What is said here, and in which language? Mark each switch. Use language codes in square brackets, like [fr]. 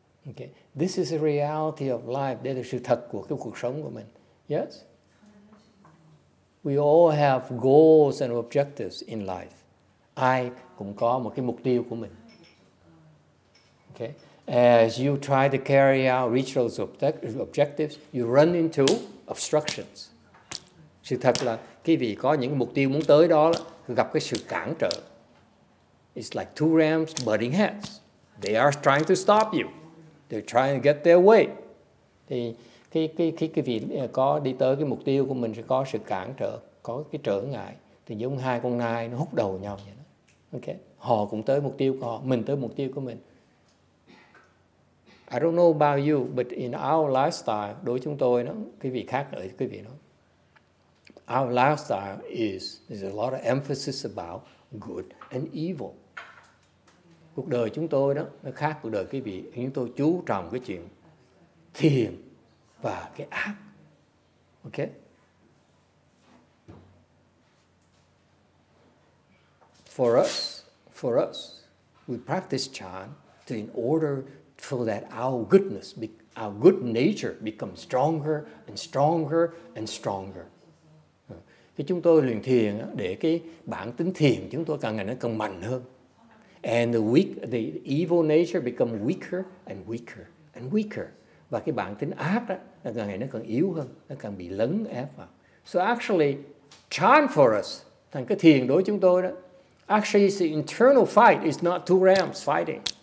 [en] Okay, this is the reality of life. [vi] Đây là sự thật của cái cuộc sống của mình. [en] Yes. We all have goals and objectives in life. [vi] Ai cũng có một cái mục tiêu của mình. [en] Okay. As you try to carry out, reach those objectives, you run into obstructions. [vi] Sự thật là khi vì có những mục tiêu muốn tới đó, gặp cái sự cản trở. [en] It's like two rams butting heads. They are trying to stop you. They're trying to get their way. [vi] Thì khi vì có đi tới cái mục tiêu của mình sẽ có sự cản trở, có cái trở ngại. Thì giống hai con nai nó húc đầu nhau vậy đó. Okay. Họ cũng tới mục tiêu của họ, mình tới mục tiêu của mình. [en] I don't know about you, but in our lifestyle, [vi] đối với chúng tôi nó, quý vị khác ở quý vị nó. [en] Our lifestyle is a lot of emphasis about good and evil. [vi] Cuộc đời chúng tôi đó nó khác cuộc đời quý vị. Chúng tôi chú trọng cái chuyện thiền và cái ác. [en] Okay. For us, we practice Chan to in order so that our good nature becomes stronger and stronger and stronger. [vi] Khi chúng tôi luyện thiền để cái bản tính thiền chúng tôi càng ngày nó càng mạnh hơn. [en] And the evil nature become weaker and weaker and weaker. [vi] Và cái bản tính ác đó nó càng ngày nó càng yếu hơn, nó càng bị lấn ép vào. [en] So actually, Chan for us, [vi] thành cái thiền đối chúng tôi đó, [en] actually it's the internal fight, it's not two rams fighting.